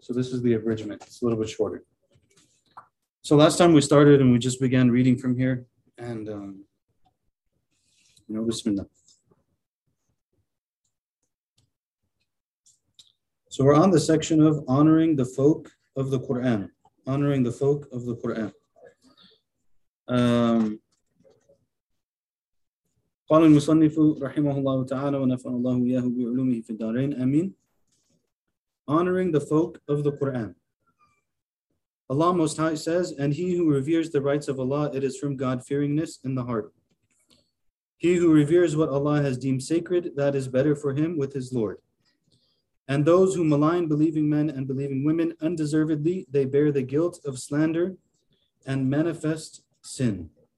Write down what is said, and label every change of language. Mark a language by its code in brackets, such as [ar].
[en] So this is the abridgment. It's a little bit shorter. So last time we started, and we just began reading from here, and you know, Bismillah. So we're on the section of honoring the folk of the Quran, honoring the folk of the Quran. [ar] قال المصنف رحمه الله تعالى ونفعنا الله إياه بعلومه في الدارين آمين. [en] Honoring the folk of the Quran. Allah Most High says, and he who reveres the rights of Allah, it is from God-fearingness in the heart. He who reveres what Allah has deemed sacred, that is better for him with his Lord. And those who malign believing men and believing women, undeservedly, they bear the guilt of slander and manifest sin.